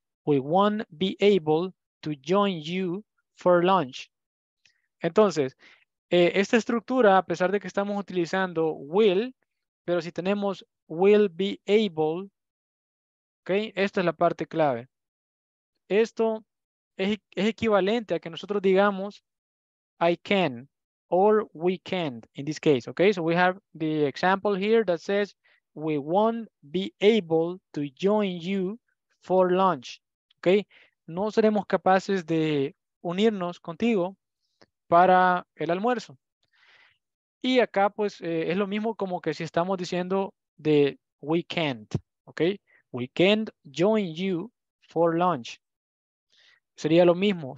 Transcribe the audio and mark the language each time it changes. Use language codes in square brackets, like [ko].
[en] We won't be able to join you for lunch. [es] Entonces, esta estructura, a pesar de que estamos utilizando will, pero si tenemos will be able, ok, esta es la parte clave. Esto es equivalente a que nosotros digamos [en] I can or we can't in this case, ok. So we have the example here that says we won't be able to join you for lunch, ok. [es] No seremos capaces de unirnos contigo para el almuerzo. Y acá, pues, es lo mismo como que si estamos diciendo de we can't, ¿ok? [en] We can't join you for lunch. [es] sería lo mismo.